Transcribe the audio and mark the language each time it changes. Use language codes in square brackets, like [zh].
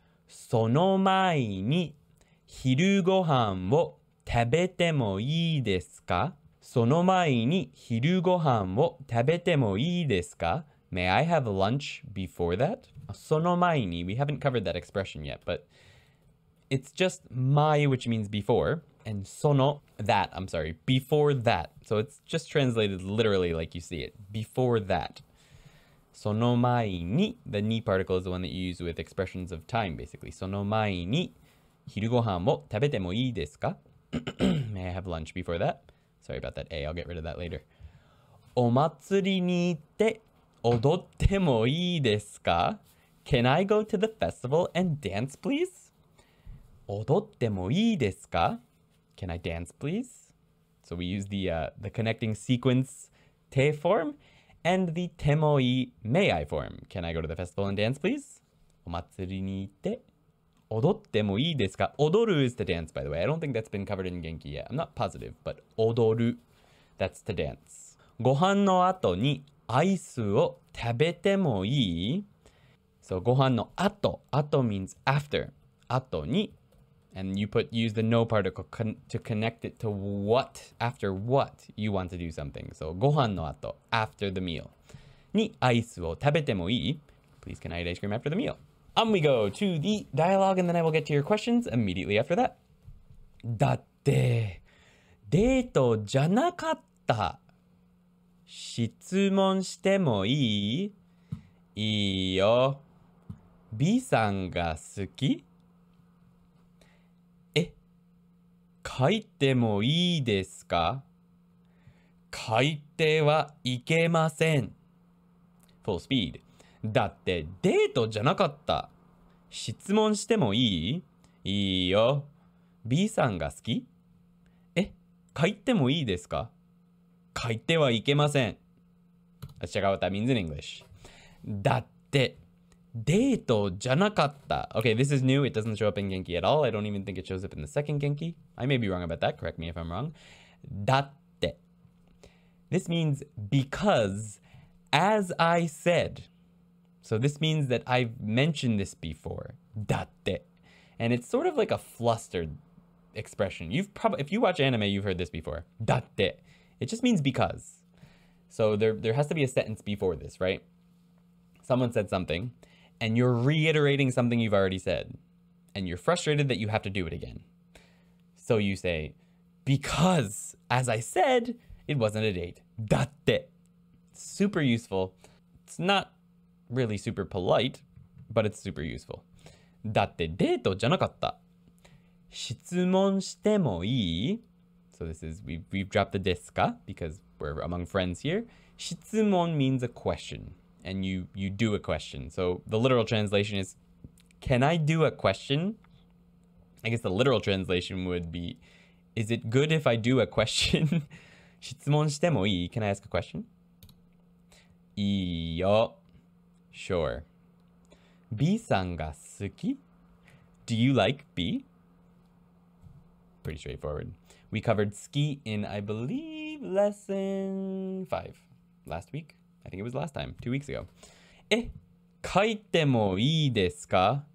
[ja] その前に昼ごはんを食べてもいいですか? その前に昼ごはんを食べてもいいですか? [en] May I have lunch before that? [ja] その前に, [en] we haven't covered that expression yet, but it's just 前, which means before. And sono, that, I'm sorry, before that. So it's just translated literally like you see it, before that. [ja] Sono mai ni, [en] the ni particle is the one that you use with expressions of time, basically. [ja] Sono mai ni, hiru gohan wo tabete mo ii desu ka? [en] May I have lunch before that? Sorry about that A, I'll get rid of that later. [ja] O matsuri ni itte, 踊ってもいいですか? [en] Can I go to the festival and dance, please? [ja] 踊ってもいいですか? [en] Can I dance, please? So we use the connecting sequence te form and the てもいい may I form. Can I go to the festival and dance, please? [ja] お祭りに行って踊ってもいいですか? 踊 [en] る is to dance, by the way. I don't think that's been covered in Genki yet. I'm not positive, but 踊る that's to dance. [ja] ご飯の後にアイスを食べてもいい? [en] So [ja] ご飯の後, [en] 後 means after. [ja] 後に [en] And you put use the no particle to connect it to what, after what you want to do something. So [ja] ご飯の後, [en] after the meal. [ja] にアイスを食べてもいい? [en] Please can I eat ice cream after the meal? On we go to the dialogue and then I will get to your questions immediately after that. [ja] だってデートじゃなかった。質問してもいい? いいよ。 B さんが好き? え? 書いてもいいですか? 書いてはいけません。 [en] Full speed. [ja] だってデートじゃなかった。質問してもいい? いいよ。 B さんが好き?え?書いてもいいですか? 書いてはいけません。 [en] Let's check out what that means in English. [ja] だって、デートじゃなかった。 [en] Okay, this is new. It doesn't show up in Genki at all. I don't even think it shows up in the second Genki. I may be wrong about that. Correct me if I'm wrong. [ja] だって。 [en] This means because, as I said. So this means that I've mentioned this before. [ja] だって。 [en] And it's sort of like a flustered expression. If you watch anime, you've heard this before. [ja] だって。 [en] It just means because. So there has to be a sentence before this, right? Someone said something, and you're reiterating something you've already said, and you're frustrated that you have to do it again. So you say, because, as I said, it wasn't a date. [ja] だって. [en] Super useful. It's not really super polite, but it's super useful. [ja] だってデートじゃなかった。質問してもいい? [en] So this is, we've dropped the desu ka, because we're among friends here. 質問 means a question, and you do a question. So the literal translation is, can I do a question? I guess the literal translation would be, is it good if I do a question? [ja] 質問してもいい? [en] Can I ask a question? [ja] いいよ. [en] Sure. [ja] B さんが好き? [en] Do you like B? Pretty straightforward. We covered ski in, I believe, lesson 5 last week. I think it was last time, 2 weeks ago. [ja] Eh, 書いてもいいですか?